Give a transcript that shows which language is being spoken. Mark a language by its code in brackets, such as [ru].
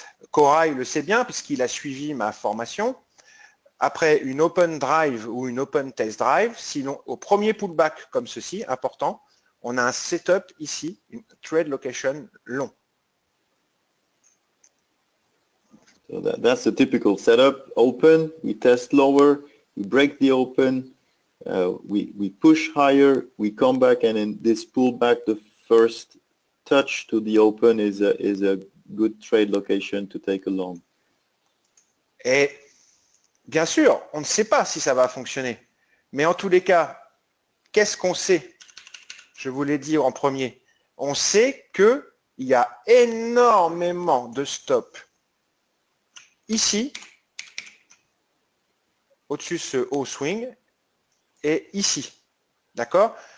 [fr] Corail le sait bien puisqu'il a suivi ma formation. Après une open drive ou une open test drive, sinon au premier pullback comme ceci, important, on a un setup ici, une trade location long. [en] So that's a typical setup. Open, we test lower, we break the open, we push higher, we come back, and in this pullback, the first touch to the open is a good trade location to take a long. [fr] Et bien sûr, on ne sait pas si ça va fonctionner. Mais en tous les cas, qu'est-ce qu'on sait? Je vous l'ai dit en premier. On sait qu'il y a énormément de stops ici, au-dessus de ce haut swing, et ici. D'accord?